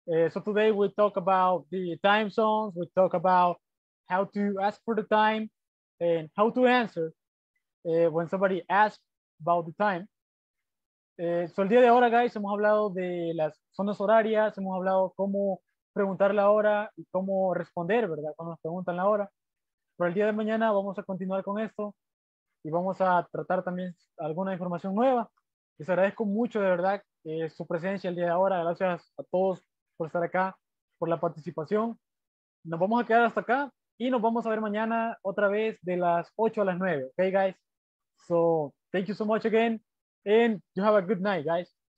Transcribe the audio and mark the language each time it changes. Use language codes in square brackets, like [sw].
[en] So today we talk about the time zones. We talk about how to ask for the time and how to answer when somebody asks about the time. [es] So el día de ahora, guys, hemos hablado de las zonas horarias. Hemos hablado cómo preguntar la hora y cómo responder, ¿verdad? Cuando nos preguntan la hora. Pero el día de mañana vamos a continuar con esto y vamos a tratar también alguna información nueva. Les agradezco mucho, de verdad, su presencia el día de ahora. Gracias a todos por estar acá, por la participación. Nos vamos a quedar hasta acá y nos vamos a ver mañana otra vez de las 8 a las 9. [en] Okay, guys? So, thank you so much again and you have a good night, guys.